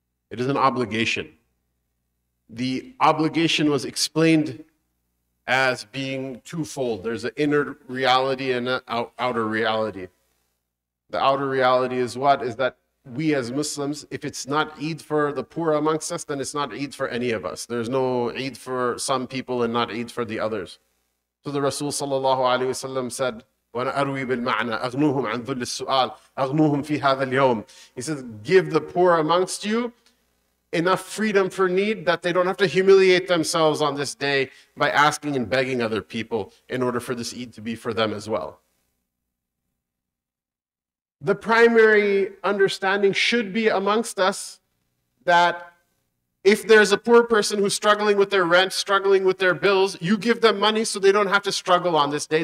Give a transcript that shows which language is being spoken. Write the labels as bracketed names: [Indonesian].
[English] It is an obligation. The obligation was explained as being twofold. There's an inner reality and an outer reality. The outer reality is what? Is that we as Muslims, if it's not Eid for the poor amongst us, then it's not Eid for any of us. There's no Eid for some people and not Eid for the others. So the Rasul sallallahu alayhi wa sallam said, [Arabic] وَنَا أَرْوِي بِالْمَعْنَى أَغْنُوهُمْ عَنْ ذُلِّ السُّؤَالِ أَغْنُوهُمْ فِي هَذَا الْيَوْمِ. [English] He says, give the poor amongst you enough freedom for need that they don't have to humiliate themselves on this day by asking and begging other people in order for this Eid to be for them as well. The primary understanding should be amongst us that if there's a poor person who's struggling with their rent, struggling with their bills, you give them money so they don't have to struggle on this day.